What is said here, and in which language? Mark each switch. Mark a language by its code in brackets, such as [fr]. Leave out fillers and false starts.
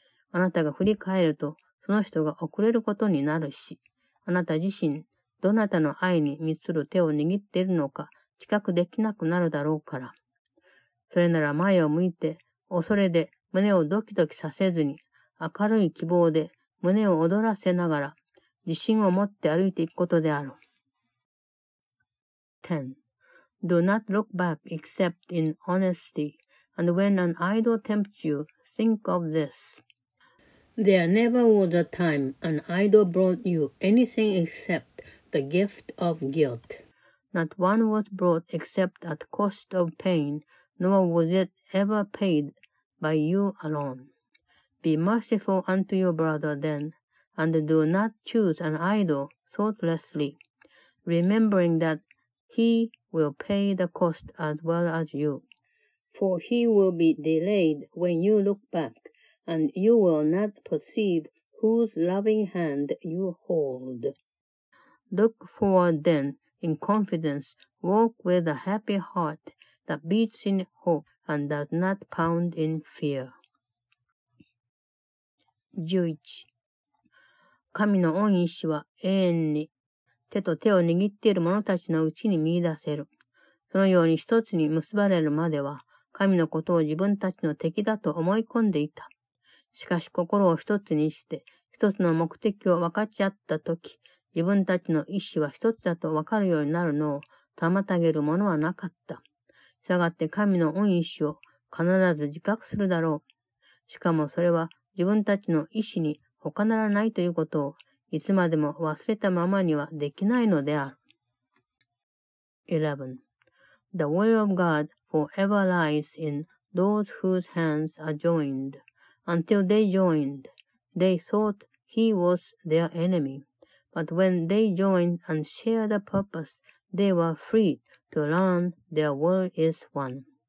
[ja] あなたが振り返ると、その人が遅れることになるし、あなた自身、どなたの愛に満つる手を握っているのか、近くできなくなるだろうから。それなら前を向いて、恐れで胸をドキドキさせずに、明るい希望で胸を躍らせながら、自信を持って歩いていくことである。 [en] 10. Do not look back except in honesty, and when an idol tempts you, think of this. There never was a time an idol brought you anything except the gift of guilt. Not one was brought except at cost of pain, nor was it ever paid by you alone. Be merciful unto your brother then, and do not choose an idol thoughtlessly, remembering that he will pay the cost as well as you. For he will be delayed when you look back. And you will not perceive whose loving hand you hold. Look forward then in confidence, walk with a happy heart that beats in hope and does not pound in fear. [ja] 11。神の恩意志は永遠に手と手を握っている者たちのうちに見出せる。そのように一つに結ばれるまでは、神のことを自分たちの敵だと思い込んでいた。しかし心を一つにして、一つの目的を分かち合ったとき、自分たちの意志は一つだと分かるようになるのを妨げるものはなかった。したがって神の恩意志を必ず自覚するだろう。しかもそれは自分たちの意志に他ならないということをいつまでも忘れたままにはできないのである。 [en] 11. The will of God forever lies in those whose hands are joined. Until they joined, they thought he was their enemy. But when they joined and shared a purpose, they were freed to learn their will is one.